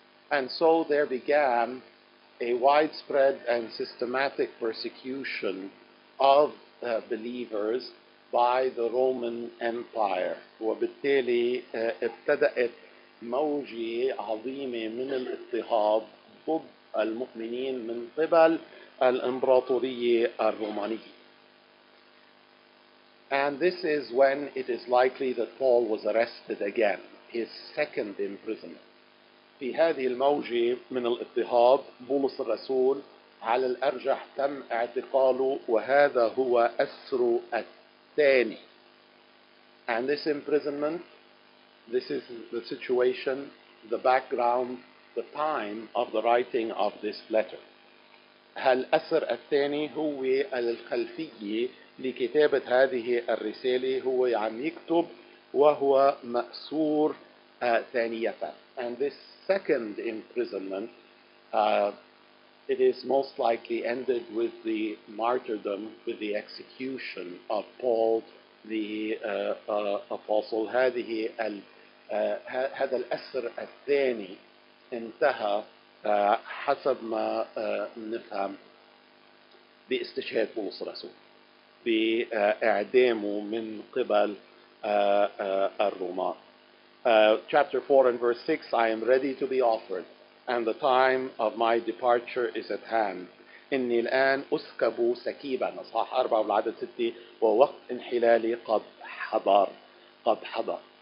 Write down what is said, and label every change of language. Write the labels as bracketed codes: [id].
[en] And so there began a widespread and systematic persecution of believers by the Roman Empire. [ar] وبالتالي ابتدأت موجة عظيمة من الاضطهاد ضد المؤمنين من قبل الإمبراطورية الرومانية. [en] And this is when it is likely that Paul was arrested again, his second imprisonment. [ar] في هذه الموجة من الاضطهاد بولس الرسول على الأرجح تم اعتقاله وهذا هو أسره الثاني. [en] And this imprisonment, this is the situation, the background, the time of the writing of this letter. [ar] هالأسر الثاني هو الخلفية لكتابة هذه الرسالة, هو عم يكتب وهو مأسور ثانية. [en] And this second imprisonment, it is most likely ended with the martyrdom, with the execution of Paul the apostle. [ar] هذه هذا الأسر الثاني انتهى حسب ما نفهم باستشهاد بولس الرسول بإعدامه من قبل الرومان. [en] Chapter 4 and verse 6, I am ready to be offered, and the time of my departure is at hand. [ar] إني الآن أسكب سكيبا, أصحاح 4 والعدد 6, ووقت انحلالي قد حضر, قد حضر.